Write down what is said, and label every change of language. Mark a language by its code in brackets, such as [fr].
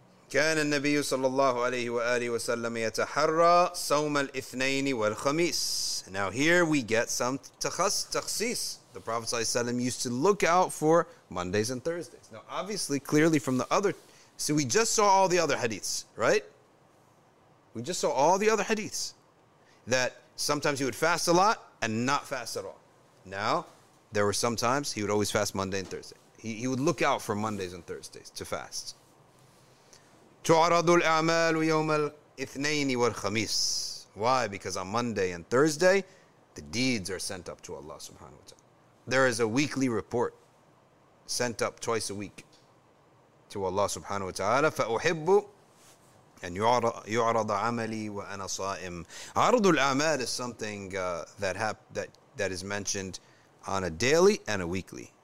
[ar] كان النبي صلى الله عليه وآله وسلم يتحرى صوم الاثنين والخميس. [en] Now here we get some takhsis. The Prophet ﷺ used to look out for Mondays and Thursdays. Now obviously, clearly from the other, so we just saw all the other hadiths, right? We just saw all the other hadiths that sometimes he would fast a lot and not fast at all. Now there were some times he would always fast Monday and Thursday. He would look out for Mondays and Thursdays to fast. [ar] تعرض الأعمال يوم الاثنين والخميس. [en] Why? Because on Monday and Thursday, the deeds are sent up to Allah subhanahu wa ta'ala. There is a weekly report sent up twice a week to Allah subhanahu wa ta'ala. [ar] فَأُحِبُّ أَنْ يُعْرَضَ عَمَلِي وَأَنَا صَائِمْ. عَرَضُ الْأَعْمَالِ [en] is something that is mentioned on a daily and a weekly.